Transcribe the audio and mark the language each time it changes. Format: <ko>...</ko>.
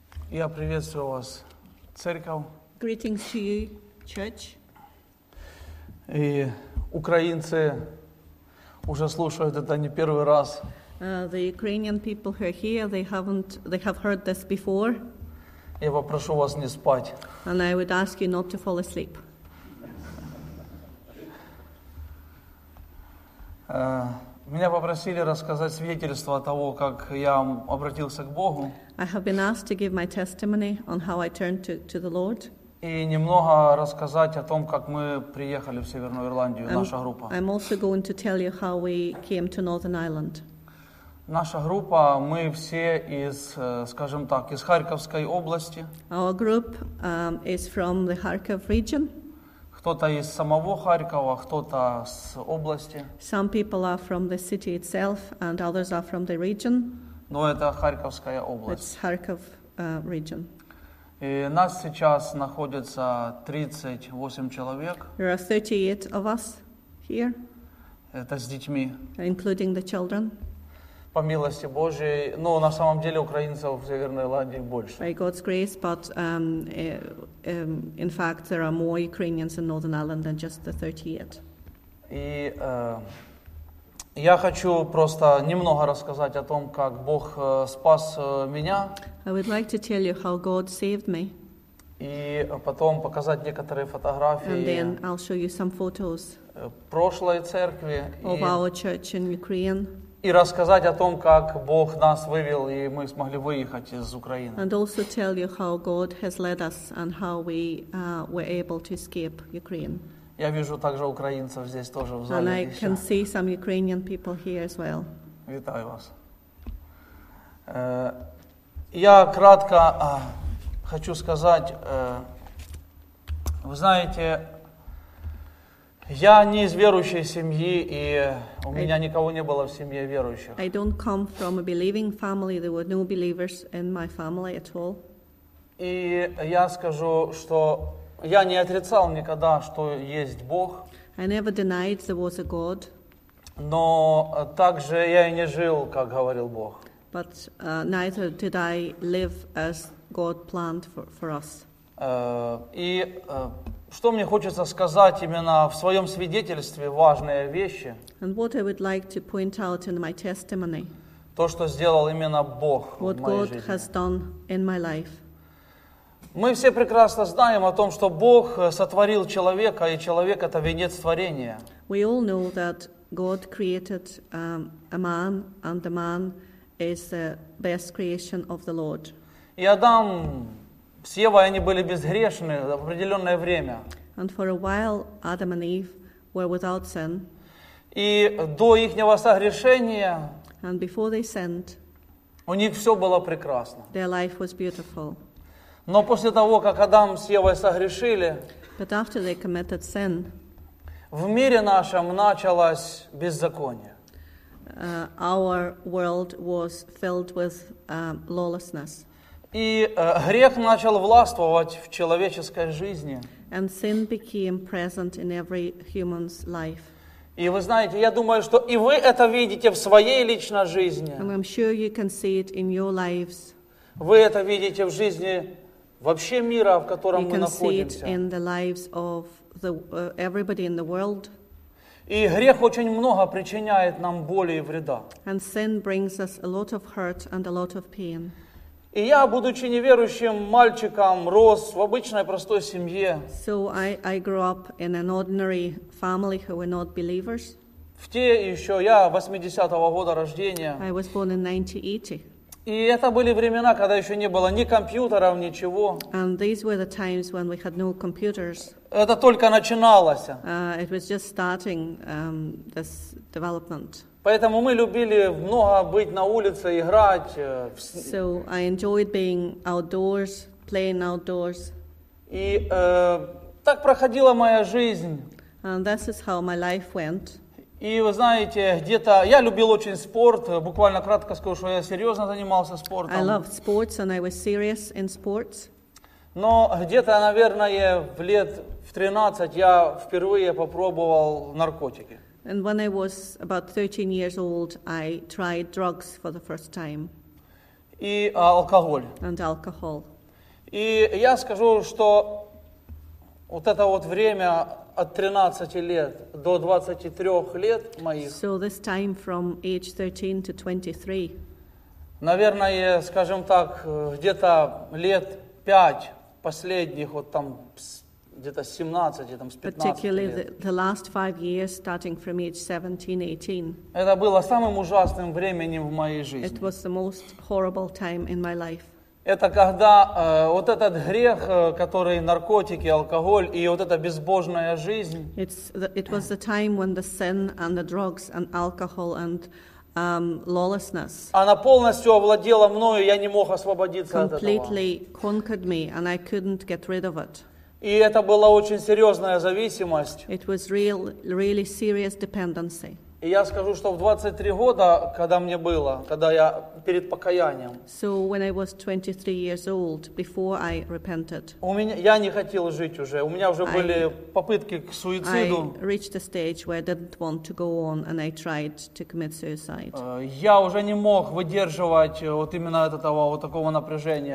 <ru>Я приветствую вас, церковь.</ru> <en>Greetings to you, church.</en> <ru>И украинцы уже слушают это не первый раз.</ru> <en>The Ukrainian people who are here, they have heard this before.</en> <ru>Я попрошу вас не спать.</ru> <en>And I would ask you not to fall asleep.</en> <ru>Меня попросили рассказать свидетельство того, как я обратился к Богу.</ru> <en>I have been asked to give my testimony on how I turned to the Lord.</en> <ru>И немного рассказать о том, как мы приехали в Северную Ирландию, наша группа.</ru> <en>I'm also going to tell you how we came to Northern Ireland.</en> <ru>Наша группа, мы все из, скажем так, из Харьковской области.</ru> <en>Our group is from the Kharkiv region.</en> <ru>Кто-то из самого Харькова, кто-то с области.</ru> <en>Some people are from the city itself, and others are from the region.</en> <ru>Но это Харьковская область.</ru> <en>It's Kharkiv region.</en> <ru>И нас сейчас находится 38 человек.</ru> <en>There are 38 of us here.</en> <ru>Это с детьми.</ru> <en>Including the children.</en> <ru>По милости Божией, но на самом деле украинцев в Северной Ирландии больше.</ru> <en>By God's grace, but in fact there are more Ukrainians in Northern Ireland than just the 38.</en> <ru>И я хочу просто немного рассказать о том, как Бог спас меня.</ru> <en>I would like to tell you how God saved me.</en> <ru>И потом показать некоторые фотографии.</ru> <en>And then I'll show you some photos.</en> <ru>Прошлой церкви.</ru> <en>Of our church in Ukraine.</en> <ru>И рассказать о том, как Бог нас вывел, и мы смогли выехать из Украины.</ru> <en>And also tell you how God has led us and how we were able to escape Ukraine.</en> <ru>Я вижу также украинцев здесь тоже в зале.</ru> <en>And I can see some Ukrainian people here as well.</en> <uk>Витаю вас.</uk> <ru>Я кратко хочу сказать, вы знаете, я не из верующей семьи, и у меня никого не было в семье верующих.</ru> <en>I don't come from a believing family. There were no believers in my family at all.</en> <ru>И я скажу, что я не отрицал никогда, что есть Бог.</ru> <en>I never denied there was a God.</en> <ru>Но также я и не жил, как говорил Бог.</ru> <en>But neither did I live as God planned for us.</en> <ru>Что мне хочется сказать именно в своем свидетельстве важные вещи?</ru> <en>And what I would like to point out in my testimony.</en> <ru>То, что сделал именно Бог в моей жизни.</ru> <en>What God has done in my life.</en> <ru>Мы все прекрасно знаем о том, что Бог сотворил человека, и человек это венец творения.</ru> <en>We all know that God created a man, and the man is the best creation of the Lord.</en> <ru>И Адам с Евой они были безгрешны в определенное время.</ru> <en>And for a while, Adam and Eve were without sin.</en> <ru>И до ихнего согрешения</ru> <en>and before they sinned,</en> <ru>у них все было прекрасно.</ru> <en>Their life was beautiful.</en> <ru>Но после того, как Адам с Евой согрешили,</ru> <en>but after they committed sin,</en> <ru>в мире нашем началось беззаконие.</ru> <en>Our world was filled with lawlessness.</en> <ru>И грех начал властвовать в человеческой жизни.</ru> <en>And sin became present in every human's life.</en> <ru>И вы знаете, я думаю, что и вы это видите в своей личной жизни.</ru> <en>And I'm sure you can see it in your lives.</en> <ru>Вы это видите в жизни вообще мира, в котором</ru> <en>you</en> <ru>мы находимся.</ru> <en>You can see it in the lives of the, everybody in the world.</en> <ru>И грех очень много причиняет нам боли и вреда.</ru> <en>And sin brings us a lot of hurt and a lot of pain.</en> <ru>И я, будучи неверующим мальчиком, рос в обычной простой семье.</ru> <en>So I grew up in an ordinary family who were not believers.</en> <ru>В те еще, я 80-го года рождения.</ru> <en>I was born in 1980.</en> <ru>И это были времена, когда еще не было ни компьютеров, ничего.</ru> <en>And these were the times when we had no computers.</en> <ru>Это только начиналось.</ru> <en>It was just starting this development.</en> <ru>Поэтому мы любили много быть на улице, играть.</ru> <en>So I enjoyed being outdoors, playing outdoors.</en> <ru>И так проходила моя жизнь.</ru> <en>And this is how my life went.</en> <ru>И вы знаете, где-то я любил очень спорт. Буквально кратко скажу, что я серьезно занимался спортом.</ru> <en>I loved sports and I was serious in sports.</en> <ru>Но где-то, наверное, в лет в 13 я впервые попробовал наркотики.</ru> <en>And when I was about 13 years old, I tried drugs for the first time.</en> <ru>И алкоголь.</ru> <en>And alcohol.</en> <ru>И я скажу, что вот это вот время от 13 лет до 23 лет моих.</ru> <en>So this time from age 13 to 23.</en> <ru>Наверное, скажем так, где-то лет 5 последних вот там где-то 17, там, с 15 лет.</ru> <en>The last 5 years, starting from age 17, 18.</en> <ru>Это было самым ужасным временем в моей жизни.</ru> <en>It was the most horrible time in my life.</en> <ru>Это когда вот этот грех, который наркотики, алкоголь и вот эта безбожная жизнь.</ru> <en>It was the time when the sin and the drugs and alcohol and lawlessness.</en> <ru>Она полностью овладела мною, я не мог освободиться от этого.</ru> <en>Completely conquered me, and I couldn't get rid of it.</en> <ru>И это была очень серьезная зависимость.</ru> <en>It was real, really serious dependency.</en> <ru>И я скажу, что в 23 года, когда мне было, когда я перед покаянием.</ru> <en>So when I was 23 years old, before I repented.</en> <ru>Я не хотел жить уже. У меня уже были попытки к суициду.</ru> <en>I reached a stage where I didn't want to go on, and I tried to commit suicide.</en> <ru>Я уже не мог выдерживать вот именно этого вот такого напряжения.</ru>